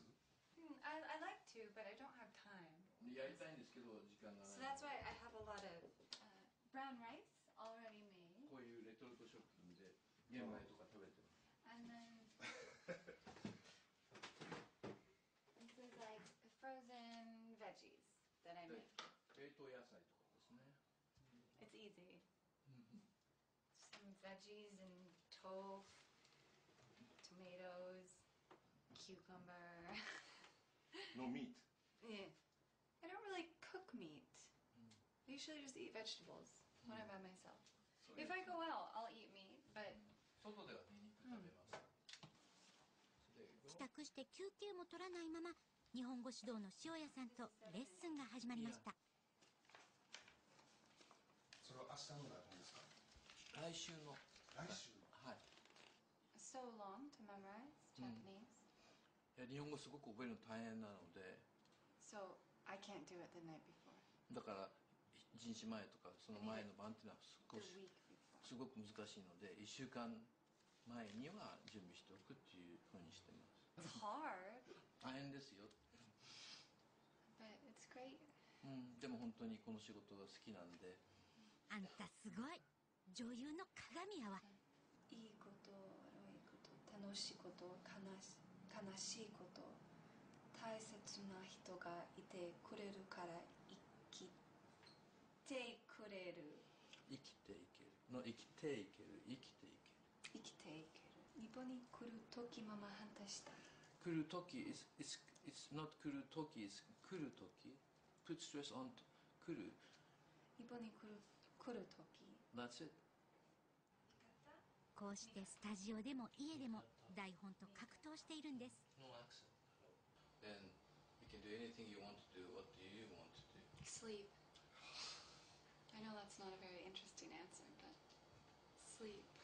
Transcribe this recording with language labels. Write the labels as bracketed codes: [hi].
[en] I like to, but I don't have time. [ja] やりたいんですけど、時間がない。 [en] So that's why I have a lot of brown rice already made. [ja] こういうレトルト食品で玄米とか食べてます。 [en] This is like frozen veggies that I make. [ja] 冷凍野菜とかですね。 [en] It's easy. Some veggies and tofu, tomatoes, cucumber. No meat. Yeah. I don't really cook meat. I usually just eat vegetables when I'm by myself. If I go out, I'll eat meat, but. [ja] 外ではニンニク食べます。帰宅して休憩も取らないまま、日本語指導の塩屋さんとレッスンが始まりました。それは明日のだったんですか？来週の。来週の。はい。 [en] So long to memorize Japanese?、う [ja] ん、いや、日本語すごく覚えるの大変なので。 [en] So, I can't do it the night before. [ja] だから、一日前とかその前の晩っていうのは少し。すごく難しいので、1週間前には準備しておくっていうふうにしてます。 [en] It's hard. [ja] 大変ですよ。 [en] But it's great. [ja] でも本当にこの仕事が好きなんで。あんたすごい女優の鏡やわ。いいこと、悪いこと、楽しいこと、悲しいこと、大切な人がいてくれるから生きてくれる。生きていけるの生きていける。生きていける生きていける。日本に来る時まま反対した。 [en] 来る時 it's not 来る時 it's 来る時 put stress on 来る [ja] 日本に来る時 [en] that's it。 [ja] こうしてスタジオでも家でも台本と格闘しているんです。 [en] No accent then you can do anything you want to do what do you want to do sleepI know that's not a very interesting answer, but sleep.